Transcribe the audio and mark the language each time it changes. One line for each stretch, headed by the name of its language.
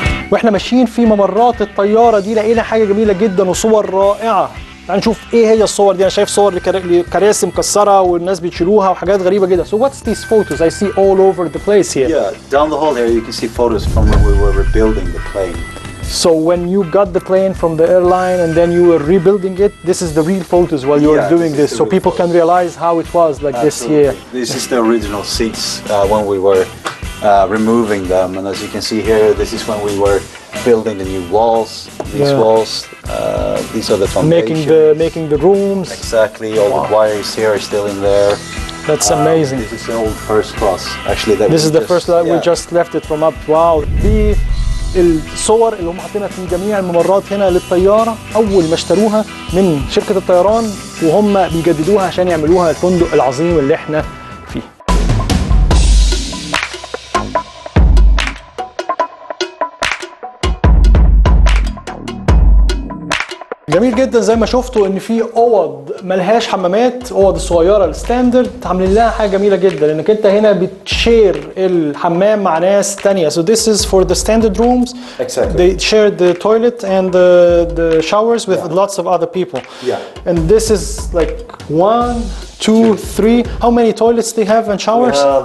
Arabic: واحنا ماشيين في ممرات الطيارة دي لقينا حاجة جميلة جدا وصور رائعة. تعال نشوف ايه هي الصور دي. انا شايف صور لكراسي مكسرة والناس بيشيلوها وحاجات غريبة جدا.
English: So what's these photos? I see all over the place here. Yeah, down the hall here you can see photos from when we were rebuilding the plane. So when you got the plane from the airline and then you were rebuilding it, this is the real photos while you were doing this. So people can realize how it was like this here. This is the original seats when we were removing them, and as you can see here, this is when we were building the new walls. These are the foundations. Making the rooms. Exactly. All the wires here are still in there. That's amazing. This is the old first class, actually. We just left it from up. Wow.
Arabic: دي الصور اللي هم حاطينها في جميع الممرات هنا للطيارة أول ما اشتروها من شركة الطيران وهم بيجددوها عشان يعملوها الفندق العظيم اللي احنا جميل جدا زي ما شفتوا ان في اوض ملهاش حمامات اوض صغيرة الستاندرد عاملين لها حاجة جميلة جدا لانك انت هنا بتشير الحمام مع ناس تانية
English: so this is for the standard rooms exactly they shared the toilet and the showers with lots of other people yeah and this is like one two three how many toilets they have and showers